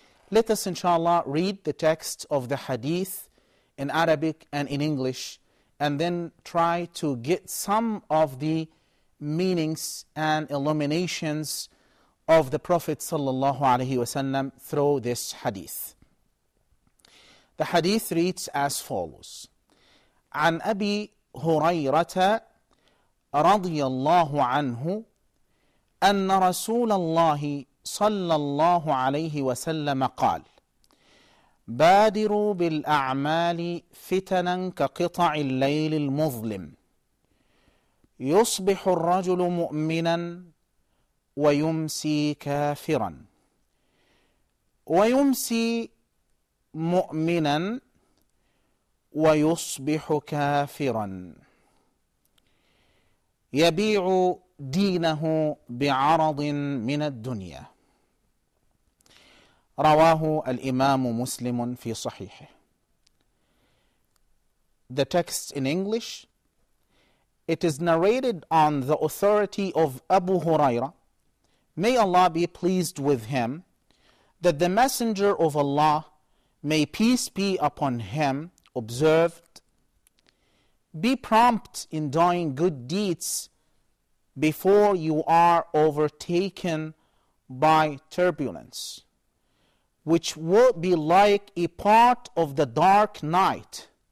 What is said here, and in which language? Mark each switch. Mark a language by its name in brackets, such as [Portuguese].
[English] Let us inshallah read the text of the hadith in Arabic and in English, and then try to get some of the meanings and illuminations of the Prophet sallallahu alayhi wasallam through this hadith. The hadith reads as follows. [Arabic] An Abi Hurayrata رضي الله عنه أن رسول الله صلى الله عليه وسلم قال بادروا بالأعمال فتنا كقطع الليل المظلم يصبح الرجل مؤمنا ويمسي كافرا ويمسي مؤمنا ويصبح كافرا يبيع دينه بعرض من الدنيا رواه الإمام مسلم في صحيحه. [English] The text in English. It is narrated on the authority of Abu Huraira, may Allah be pleased with him, that the Messenger of Allah, may peace be upon him, observed, be prompt in doing good deeds before you are overtaken by turbulence, which will be like a part of the dark night.